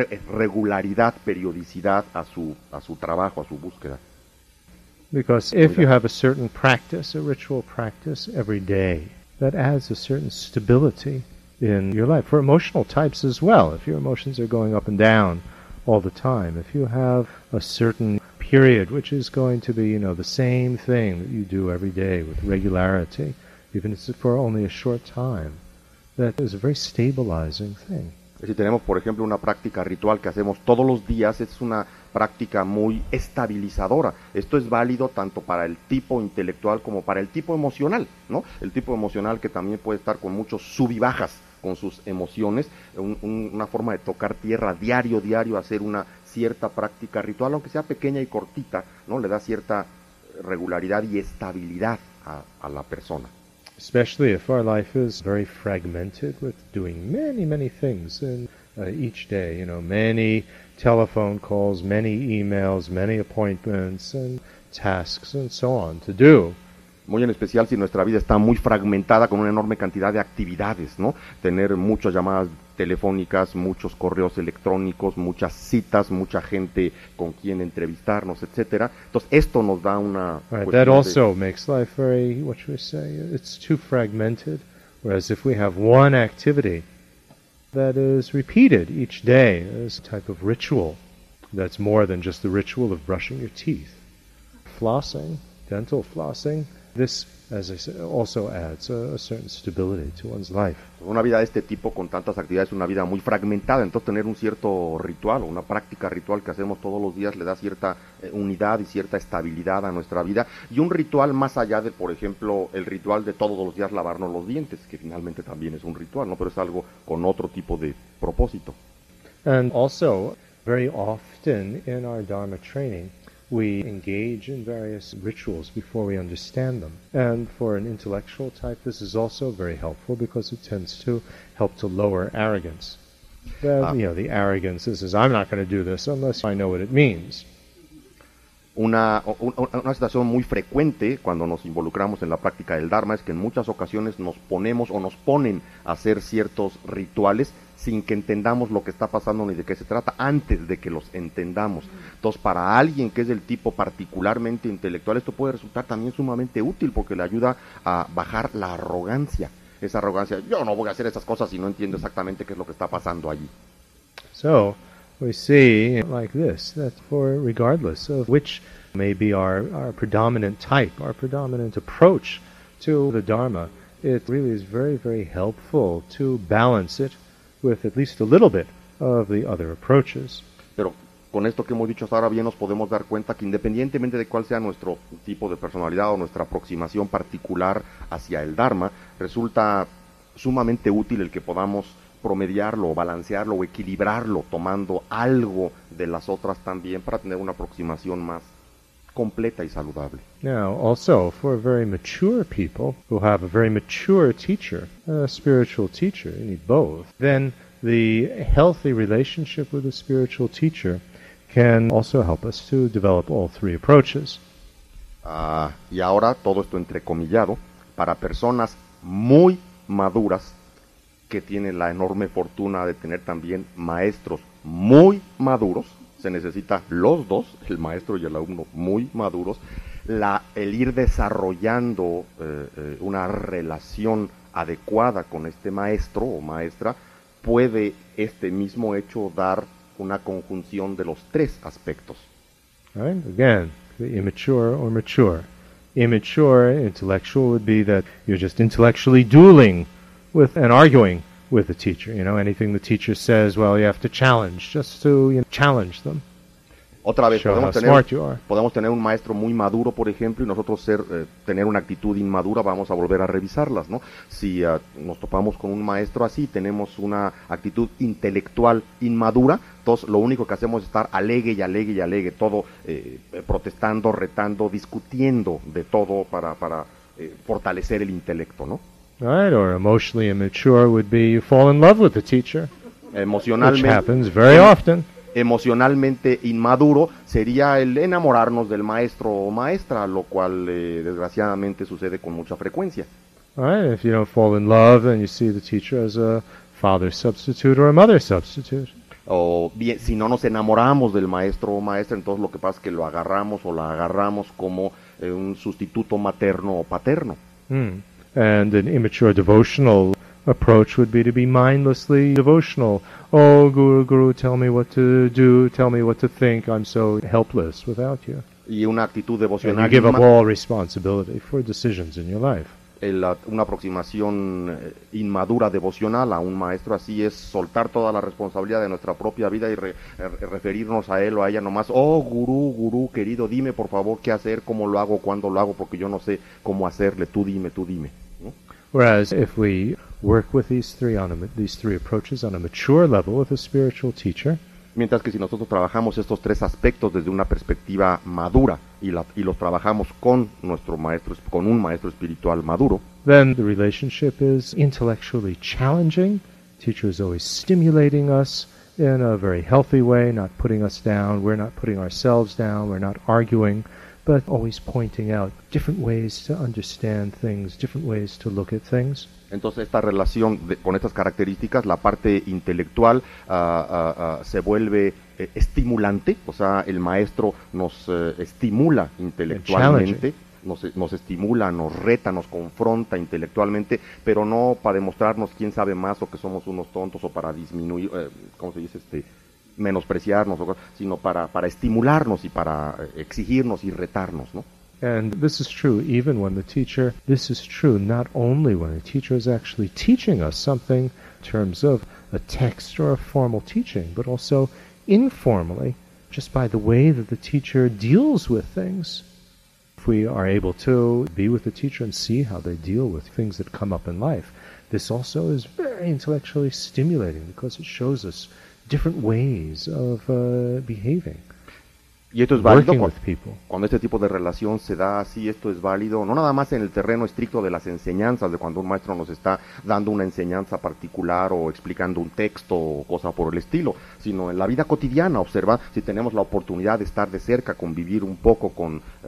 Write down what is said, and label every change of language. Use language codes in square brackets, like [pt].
[es] Regularidad, periodicidad a su trabajo, a su búsqueda. [en] Because if you have a certain practice, a ritual practice every day, that adds a certain stability in your life. For emotional types as well, if your emotions are going up and down all the time, if you have a certain period which is going to be, you know, the same thing that you do every day with regularity, even if it's for only a short time, that is a very stabilizing thing. [es] Si tenemos, por ejemplo, una práctica ritual que hacemos todos los días, es una práctica muy estabilizadora. Esto es válido tanto para el tipo intelectual como para el tipo emocional, ¿no? El tipo emocional que también puede estar con muchos subibajas con sus emociones, una forma de tocar tierra diario, hacer una cierta práctica ritual, aunque sea pequeña y cortita, ¿no? Le da cierta regularidad y estabilidad a la persona. [en] Especially if our life is very fragmented with doing many, many things in each day, you know, many telephone calls, many emails, many appointments, and tasks and so on to do. [es] Muy en especial si nuestra vida está muy fragmentada con una enorme cantidad de actividades, ¿no? Tener muchas llamadas telefónicas, muchos correos electrónicos, muchas citas, mucha gente con quien entrevistarnos, etcétera. Entonces, esto nos da una [en] cuestión that also de... makes life very, what should we say, it's too fragmented. Whereas if we have one activity that is repeated each day as a type of ritual, that's more than just the ritual of brushing your teeth. Flossing, dental flossing, this, as I said, also adds a certain stability to one's life. [es] Una vida de este tipo con tantas actividades es una vida muy fragmentada, entonces tener un cierto ritual o una práctica ritual que hacemos todos los días le da cierta unidad y cierta estabilidad a nuestra vida. Y un ritual más allá de, por ejemplo, el ritual de todos los días lavarnos los dientes, que finalmente también es un ritual, ¿no? Pero es algo con otro tipo de propósito. [en] And also, very often in our Dharma training, we engage in various rituals before we understand them. And for an intellectual type, this is also very helpful because it tends to help to lower arrogance. The arrogance, this is, I'm not going to do this unless I know what it means. [es] Una situación muy frecuente cuando nos involucramos en la práctica del Dharma es que en muchas ocasiones nos ponemos o nos ponen a hacer ciertos rituales sin que entendamos lo que está pasando ni de qué se trata antes de que los entendamos. Entonces, para alguien que es del tipo particularmente intelectual, esto puede resultar también sumamente útil porque le ayuda a bajar la arrogancia. Esa arrogancia, yo no voy a hacer esas cosas si no entiendo exactamente qué es lo que está pasando allí. [en] So, we see like this, that for regardless of which may be our predominant type, our predominant approach to the Dharma, it really is very, very helpful to balance it with at least a little bit of the other approaches. [es] Pero con esto que hemos dicho hasta ahora bien nos podemos dar cuenta que independientemente de cuál sea nuestro tipo de personalidad o nuestra aproximación particular hacia el Dharma, resulta sumamente útil el que podamos promediarlo, balancearlo o equilibrarlo tomando algo de las otras también para tener una aproximación más completa y saludable. [en] Now, also, for very mature people who have a very mature teacher, a spiritual teacher, you need both, then the healthy relationship with a spiritual teacher can also help us to develop all three approaches. [es] Y ahora, todo esto entrecomillado, para personas muy maduras, que tienen la enorme fortuna de tener también maestros muy maduros, se necesita los dos, el maestro y el alumno muy maduros, el ir desarrollando una relación adecuada con este maestro o maestra, puede este mismo hecho dar una conjunción de los tres aspectos. [en] Right. Again, the immature or mature. Immature intellectual would be that you're just intellectually dueling with and arguing with the teacher, you know, anything the teacher says, well, you have to challenge, just to, you know, challenge them. [es] Otra vez, podemos tener un maestro muy maduro, por ejemplo, y nosotros tener una actitud inmadura, vamos a volver a revisarlas, ¿no? Si nos topamos con un maestro así, tenemos una actitud intelectual inmadura, entonces lo único que hacemos es estar alegre y alegre y alegre, todo protestando, retando, discutiendo de todo para fortalecer el intelecto, ¿no? [en] Right, or emotionally immature would be you fall in love with the teacher, which happens very often. [es] Emocionalmente inmaduro sería el enamorarnos del maestro o maestra, lo cual desgraciadamente sucede con mucha frecuencia. [en] Right, if you don't fall in love, then you see the teacher as a father substitute or a mother substitute. [es] O bien, si no nos enamoramos del maestro o maestra, entonces lo que pasa es que lo agarramos o la agarramos como un sustituto materno o paterno. [en] And an immature devotional approach would be to be mindlessly devotional. Oh, guru, guru, tell me what to do, tell me what to think, I'm so helpless without you. [es] Y una actitud devocional. [en] And you give up all responsibility for decisions in your life. [es] Una aproximación inmadura devocional a un maestro así es soltar toda la responsabilidad de nuestra propia vida y referirnos a él o a ella nomás. Oh, guru, guru, querido, dime por favor qué hacer, cómo lo hago, cuándo lo hago, porque yo no sé cómo hacerle. Tú dime. [en] Whereas if we work with these three approaches on a mature level with a spiritual teacher. [es] Mientras que si nosotros trabajamos estos tres aspectos desde una perspectiva madura y los trabajamos con nuestro maestro, con un maestro espiritual maduro, [en] then the relationship is intellectually challenging. Teacher is always stimulating us in a very healthy way, not putting us down. We're not putting ourselves down. We're not arguing. but always pointing out different ways to understand things, different ways to look at things. [es] Entonces esta relación de, con estas características, la parte intelectual se vuelve estimulante, o sea, el maestro nos estimula intelectualmente, nos estimula, nos reta, nos confronta intelectualmente, pero no para demostrarnos quién sabe más o que somos unos tontos o para disminuir, ¿cómo se dice? Menospreciarnos, o, sino para estimularnos y para exigirnos y retarnos, ¿no? [en] And this is true even when the teacher, this is true not only when the teacher is actually teaching us something in terms of a text or a formal teaching, but also informally, just by the way that the teacher deals with things. If we are able to be with the teacher and see how they deal with things that come up in life, this also is very intellectually stimulating because it shows us different ways of behaving. [es] Y esto es válido cuando este tipo de relación se da así, esto es válido, no nada más en el terreno estricto de las enseñanzas, de cuando un maestro nos está dando una enseñanza particular o explicando un texto o cosa por el estilo, sino en la vida cotidiana, observa, si tenemos la oportunidad de estar de cerca, convivir un poco con